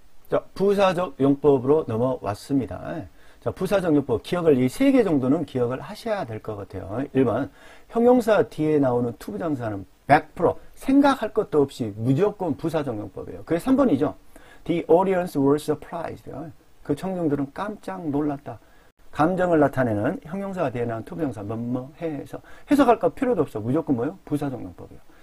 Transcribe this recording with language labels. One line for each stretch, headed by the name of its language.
Korean: 자, 부사적 용법으로 넘어왔습니다. 자, 부사적 용법 기억을 이 세 개 정도는 기억을 하셔야 될 것 같아요. 1번 형용사 뒤에 나오는 to 부정사는 100% 생각할 것도 없이 무조건 부사적 용법이에요. 그게 3번이죠.
English: The audience were surprised.
Korean: 그 청중들은 깜짝 놀랐다. 감정을 나타내는 형용사가 되는 to 부정사 뭐뭐 해서 해석할 것 필요도 없어. 무조건 뭐예요? 부사적 용법이에요.